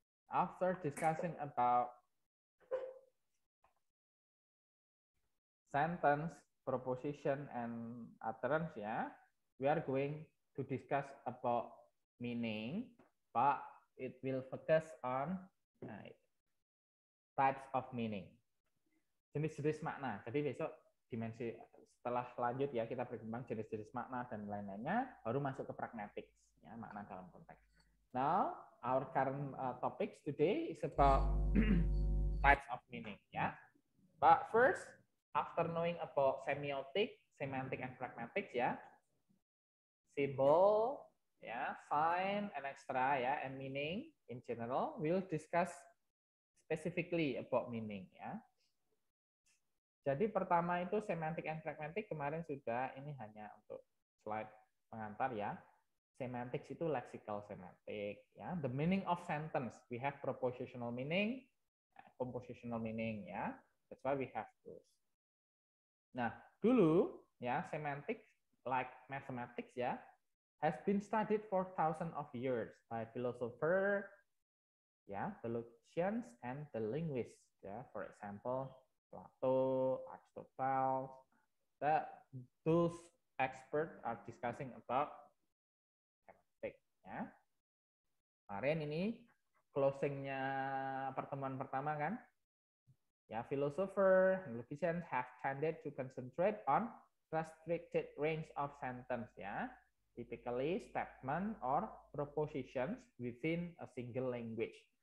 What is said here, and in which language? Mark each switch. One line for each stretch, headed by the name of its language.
English: After discussing about sentence, proposition, and utterance, ya, we are going to discuss about meaning, but it will focus on types of meaning.
Indonesian: Jenis-jenis makna. Jadi besok dimensi setelah lanjut ya kita berkembang jenis-jenis makna dan lain-lainnya baru masuk ke pragmatics ya, makna dalam konteks.
English: Now our current topics today is about types of meaning ya. But first after knowing about semiotic, semantic and pragmatics ya, symbol ya, sign and extra ya, and meaning in general, we'll discuss specifically about meaning ya.
Indonesian: Jadi pertama itu semantik and fragmentik kemarin sudah, ini hanya untuk slide pengantar ya. Semantik itu
English: lexical semantik ya. The meaning of sentence, we have propositional meaning, compositional meaning ya. That's why we have those.
Indonesian: Nah, dulu ya
English: semantik like mathematics ya has been studied for thousands of years by philosopher ya, the logicians and the linguists ya, for example Plato, Aristotle, that those experts are discussing about semantik. Ya.
Indonesian: Kemarin ini closingnya pertemuan pertama kan?
English: Ya, philosopher, logicians have tended to concentrate on restricted range of sentence. Ya, typically statement or propositions within a single language.